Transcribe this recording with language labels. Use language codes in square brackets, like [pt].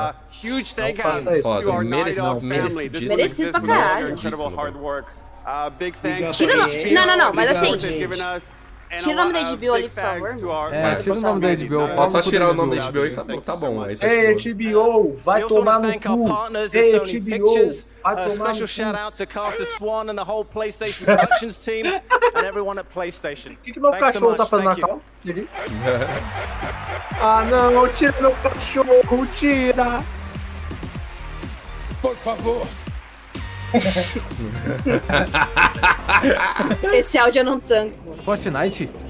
[en] Huge thank yous to our Night Owl family. This is [pt] merecido pra caralho. [en] Big thanks to HBO. [pt] Não, mas assim, tira o nome da HBO ali, por favor. Tira o nome da HBO. Posso tirar o nome da HBO e tá bom. Ei, HBO, vai tomar no cu. Ei, HBO, vai tomar no cu. [en] Special shout out to Carter Swan and the whole PlayStation Productions team and everyone at PlayStation. [pt] O que meu cachorro tá fazendo na cal? Ah, não, tira meu cachorro, tira. Por favor. Esse áudio eu não tanco. Fortnite?